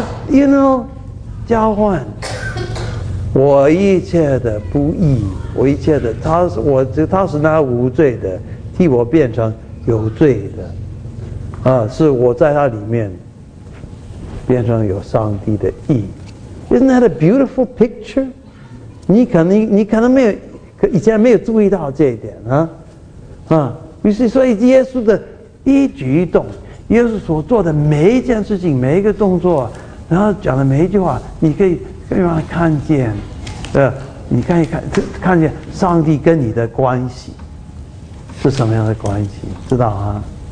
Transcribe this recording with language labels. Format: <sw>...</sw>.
<zh>因为，</zh> <en>you know，</en> <zh>交换。我一切的不义，我一切的他是那无罪的，替我变成有罪的，啊，是我在他里面变成有上帝的义。</zh> <en>Isn't that a beautiful picture？</en> <zh>你可能没有，以前没有注意到这一点啊，啊，于是所以耶稣的一举一动，耶稣所做的每一件事情，每一个动作，然后讲的每一句话，你可以。可以让他看见，你可以看见上帝跟你的关系是什么样的关系，知道啊？</zh>